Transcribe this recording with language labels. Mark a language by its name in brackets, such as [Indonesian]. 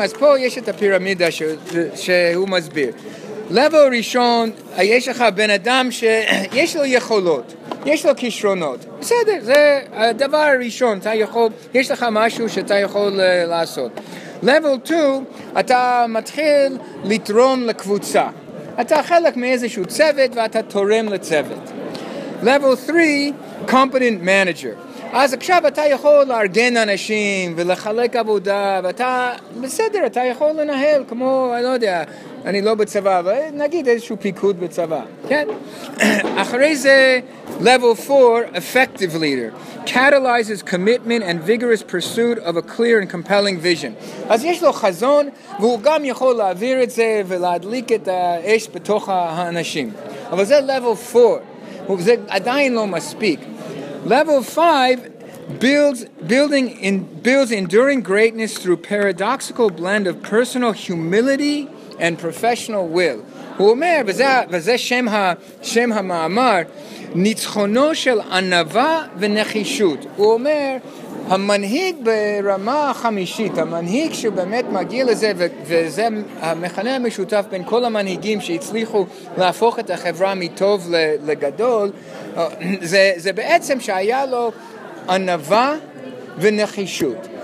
[Hebrew] אז פה יש את הפירמידה שהוא מסביר. לבל ראשון, יש לך בן אדם שיש לו יכולות, יש לו כישרונות. בסדר, זה הדבר הראשון, יש לך משהו שאתה יכול לעשות. לבל 2, אתה מתחיל לתרום לקבוצה. אתה חלק מאיזשהו צוות ואתה תורם לצוות. [English] לבל 3, competent manager. [Hebrew] אז עכשיו אתה יכול לארגן אנשים ולחלק עבודה, ואתה, בסדר, אתה יכול לנהל כמו, אני לא יודע, אני לא בצבא, אבל נגיד איזשהו פיקוד בצבא, כן? אחרי זה, [English] level 4, effective leader, catalyzes commitment and vigorous pursuit of a clear and compelling vision. [Hebrew] אז יש לו חזון, והוא גם יכול להעביר את זה ולהדליק את האש בתוך האנשים. אבל זה level 4, וזה עדיין לא מספיק. [English] Level 5 builds enduring greatness through paradoxical blend of personal humility and professional will. [Hebrew] הוא אומר, וזה שם המאמר, ניצחונו של ענווה ונחישות. הוא אומר, המנהיג ברמה החמישית, המנהיג שבאמת מגיע לזה, וזה המכנה המשותף בין כל המנהיגים שהצליחו להפוך את החברה מטוב לגדול, זה בעצם שהיה לו ענווה ונחישות.